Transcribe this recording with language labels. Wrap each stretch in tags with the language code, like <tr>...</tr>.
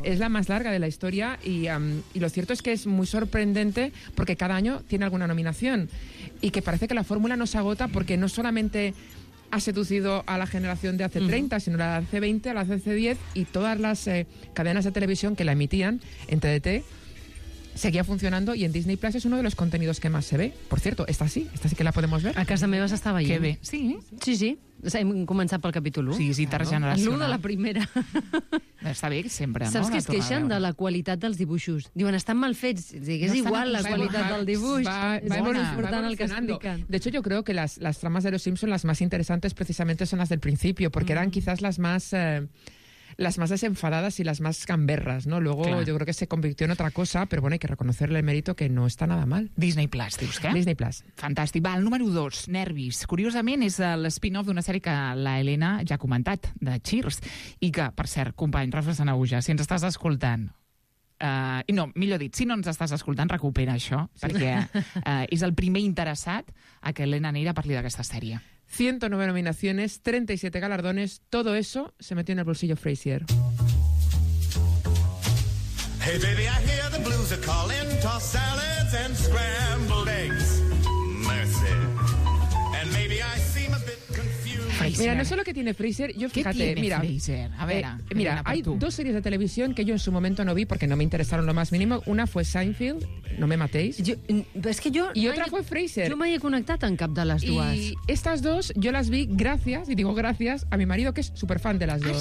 <es>Es la más larga de la historia y lo cierto es que es muy sorprendente porque cada año tiene alguna nominación y que parece que la fórmula no se agota porque no solamente ha seducido a la generación de hace 30, sino a la de hace 20, a la de hace 10 y todas las cadenas de televisión que la emitían en TDT seguía funcionando y en Disney Plus es uno de los contenidos que más se ve. Por cierto, esta sí que la podemos ver.</es> <ca>A casa meva estaba ahí. Qué bé.</ca> <es>Sí, sí. Sí. O sea,</es> <ca>hem començat pel capítol 1.</ca> <es>Sí, sí, claro. Regeneracional.</es> <ca>L'1 de la primera. Està bé, sempre. Saps que es queixen de la qualitat dels dibuixos? Diuen, estan mal fets. Digues, no igual la qualitat del dibuix. Va important el que expliquen.</ca> <es>De hecho, yo creo que las tramas de los Simpsons, las más interesantes precisamente son las del principio, porque eran quizás las más... las más desenfadadas y las más gamberras, ¿no? Luego claro. Yo creo que se convirtió en otra cosa, pero bueno, hay que reconocerle el mérito que no está nada mal.</es> <ca>Disney Plus, dius, què? Disney Plus. Fantàstic. Va, el número 2, Nervis. Curiosament, és l'spin-off d'una sèrie que la Helena ja ha comentat, de Cheers, i que, per cert, company, Rafa Sanahuja, si ens estàs escoltant... No, millor dit, si no ens estàs escoltant, recupera això, sí. Perquè és el primer interessat a que Helena Neira parli d'aquesta sèrie.</ca> <es>109 nominaciones, 37 galardones, todo eso se metió en el bolsillo Frasier.</es> <en>Hey baby, I hear the blues are calling, toss salads and scrambled eggs. Mercy. And maybe I seem a bit confused.</en> <es>Frasier. Mira, no sé lo que tiene Frasier, yo fíjate, ¿tiene mira, Frasier? A ver, mira, hay tú. Dos series de televisión que yo en su momento no vi porque no me interesaron lo más mínimo. Una fue Seinfeld, no me matéis. Y otra fue Frasier. Yo me he conectado en cap de las dos. Y estas dos yo las vi gracias, y digo gracias, a mi marido que es súper fan de las dos.</es>